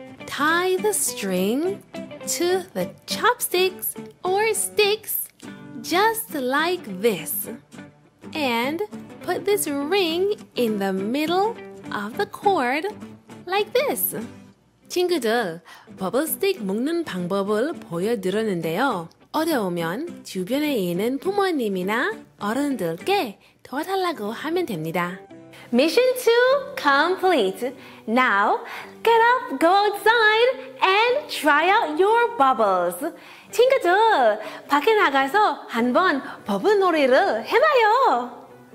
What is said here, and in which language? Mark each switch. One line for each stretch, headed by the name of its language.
English: Tie the string to the chopsticks or sticks just like this. And put this ring in the middle of the cord like this.
Korean: 친구들, 버블 스틱 묶는 방법을 보여드렸는데요. 어려우면 주변에 있는 부모님이나 어른들께 도와달라고 하면 됩니다.
English: Mission 2 complete. Now, get up, go outside, and try out your bubbles.
Korean: 친구들, 밖에 나가서 한번 버블 놀이를 해봐요.